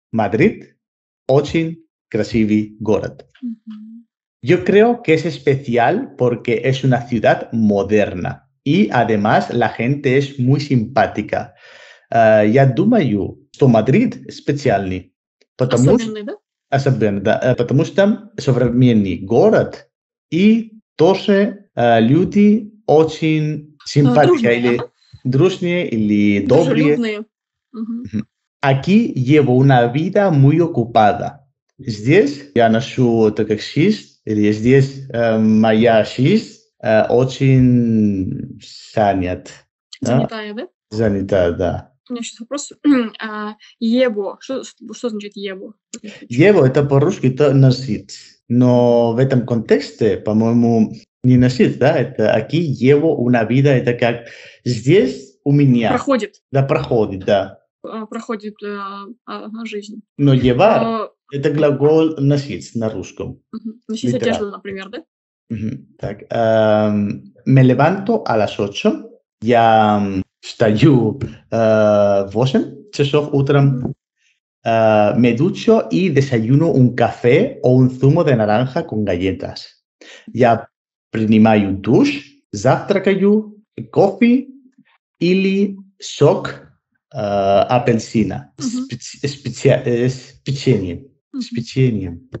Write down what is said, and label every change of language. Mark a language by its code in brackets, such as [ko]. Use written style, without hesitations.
[ru] Madrid, очень красивый город. [es] Yo creo que es especial porque es una ciudad moderna y además la gente es muy simpática. [ru] Я думаю, что Madrid специальный, потому что современный город и тоже люди очень симпатичные. Дружные или добрые. [es] Aquí llevo una vida muy ocupada. [ru] Здесь я ношу так как жизнь, или здесь моя жизнь очень занят. Занятая, да? Занята, да. У меня сейчас вопрос. Llevo. Что значит llevo? Llevo это по-русски, это носит. Но в этом контексте, по-моему, не носит, да? Это [es] aquí llevo una vida, [ru] это как здесь у меня. Проходит. Да, проходит, да. проходит жизнь. Но «llevar» это глагол «носить» на русском. Носить одежду, например, да? Так. [es] «Me levanto a las 8». [ru] Я встаю в 8 часов утром. [es] «Me ducho y desayuno un café o un zumo de naranja con galletas». [ru] Я принимаю душ, завтракаю, кофе или сок апельсина с печеньем.